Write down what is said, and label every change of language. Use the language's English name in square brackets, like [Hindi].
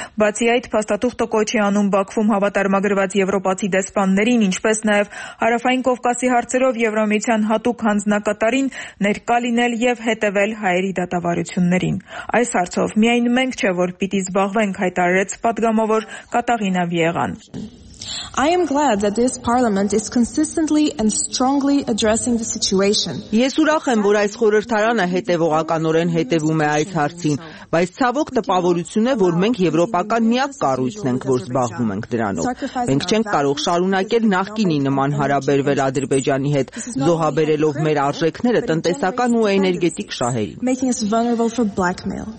[Armenian] Բացի այդ, փաստաթուղթը կոչ է անում Բաքվում հավատարմագրված եվրոպացի դեսպաններին, ինչպես նաև Հարավային Կովկասի հարցերով Եվրամիության հատուկ հանձնակատարին ներկա լինել և հետևել հայերի դատավարություններին։ Այս հարցով միայն մենք չէ, որ պիտի զբաղվենք, հայտարարեց պատգամավոր Կատաղինա Վիեղան։ [English] I am glad that this parliament is consistently and strongly addressing the situation. [Armenian] Ես ուրախ եմ, որ այս խորհրդարանը հետևողականորեն հետևում է այս հարցին, բայց ցավոք տպավորություն է, որ մենք եվրոպական միակ կառույցն ենք, որ զբաղվում ենք դրանով։ Մենք չենք կարող շարունակել նախկինի նման հարաբերվել Ադրբեջանի հետ, զոհաբերելով մեր արժեքները տնտեսական ու էներգետիկ շահերին։